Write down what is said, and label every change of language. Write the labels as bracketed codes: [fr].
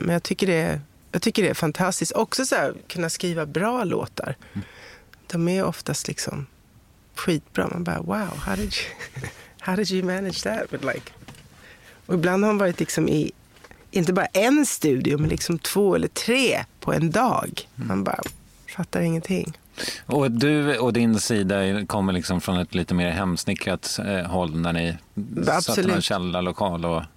[sv] Men jag tycker det är fantastiskt också så här, kunna skriva bra låtar. Mm. De är oftast liksom skitbra. Man bara, [en] wow, how did you manage that? But like, [sv] och ibland har hon varit liksom i inte bara en studio, men liksom två eller tre på en dag. Mm. Man bara fattar ingenting. Och du och din sida kommer liksom från ett lite mer hemsnickrat håll när ni satt i en källarlokal och